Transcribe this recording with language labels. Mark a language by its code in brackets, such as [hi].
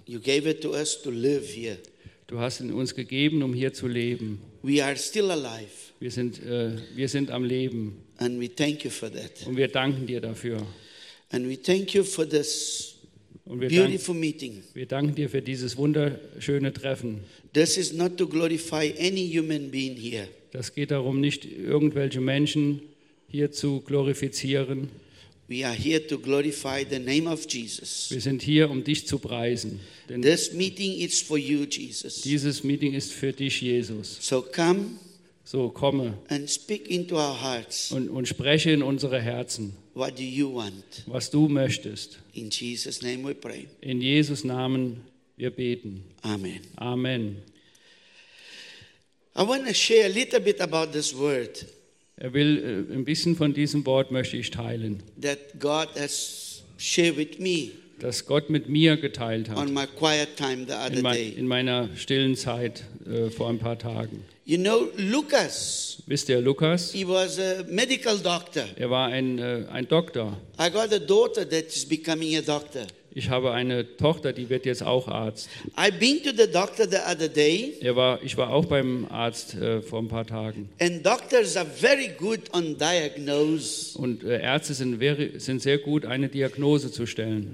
[en] You gave it to us to live here. [de] Du hast ihn uns gegeben, um hier zu leben. [en] We are still alive. [de] Wir sind am Leben. [en] And we thank you for that. [de] Und wir danken dir dafür. [en] And we thank you for this beautiful meeting. [de] Wir danken dir für dieses wunderschöne Treffen. [en] This is not to glorify any human being here. [de] Das geht darum, nicht irgendwelche Menschen hier zu glorifizieren. [en] We are here to glorify the name of Jesus. [de] Wir sind hier, um dich zu preisen. [en] Denn this meeting is for you, Jesus. [de] Dieses Meeting ist für dich, Jesus. [en] So come. [de] So komme. [en] And speak into our hearts. [de] Und spreche in unsere Herzen. [en] What do you want? [de] Was du möchtest. [en] In Jesus' name we pray. [de] In Jesus Namen wir beten. [en] Amen. [de] Amen. [en] I want to share a little bit about this word. [de] Er will ein bisschen von diesem Wort möchte ich teilen. [en] That God has shared with me. [de] Das Gott mit mir geteilt hat. [en] On my quiet time the other day. [de] In meiner stillen Zeit vor ein paar Tagen. [en] You know Lucas. [de] Wisst ihr Lucas? [en] He was a medical doctor. [de] Er war ein Doktor. [en] I got a daughter that is becoming a doctor. [de] Ich habe eine Tochter, die wird jetzt auch Arzt. [en] I've been to the doctor the other day. [de] Ich war auch beim Arzt vor ein paar Tagen. [en] And doctors are very good on diagnose. [de] Und Ärzte sind sehr gut, eine Diagnose zu stellen.